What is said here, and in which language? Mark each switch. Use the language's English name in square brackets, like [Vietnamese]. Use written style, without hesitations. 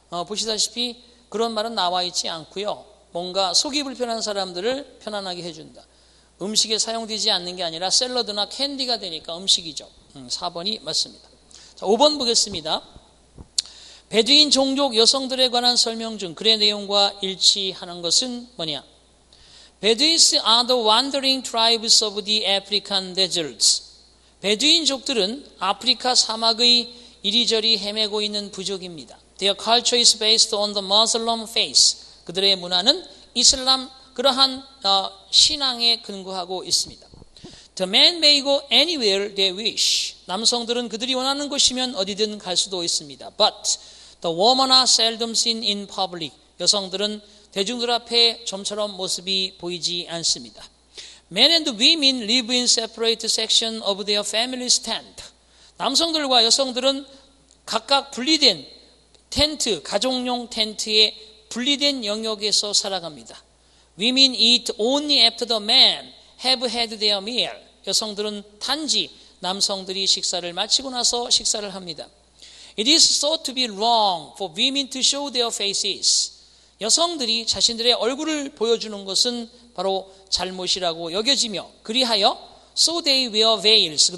[Korean] 보시다시피 그런 말은 나와 있지 않고요. 뭔가 속이 불편한 사람들을 편안하게 해준다. 음식에 사용되지 않는 게 아니라 샐러드나 캔디가 되니까 음식이죠. 4번이 맞습니다. 자, 5번 보겠습니다. 베두인 종족 여성들에 관한 설명 중 글의 내용과 일치하는 것은 뭐냐? [English] Bedouins are the wandering tribes of the African deserts. [Korean] 베두인족들은 아프리카 사막의 이리저리 헤매고 있는 부족입니다. [English] Their culture is based on the Muslim faith. [Korean] 그들의 문화는 이슬람 그러한 신앙에 근거하고 있습니다. [English] The men may go anywhere they wish. [Korean] 남성들은 그들이 원하는 곳이면 어디든 갈 수도 있습니다. [English] But the women are seldom seen in public. [Korean] 여성들은 대중들 앞에 좀처럼 모습이 보이지 않습니다. [English] Men and women live in separate sections of their family's tent. [Korean] 남성들과 여성들은 각각 분리된 텐트, 가족용 텐트의 분리된 영역에서 살아갑니다. [English] Women eat only after the men have had their meal. [Korean] 여성들은 단지 남성들이 식사를 마치고 나서 식사를 합니다. [English] It is thought to be wrong for women to show their faces. [Korean] 여성들이 자신들의 얼굴을 보여주는 것은 바로 잘못이라고 여겨지며 그리하여 [English] So they wear veils.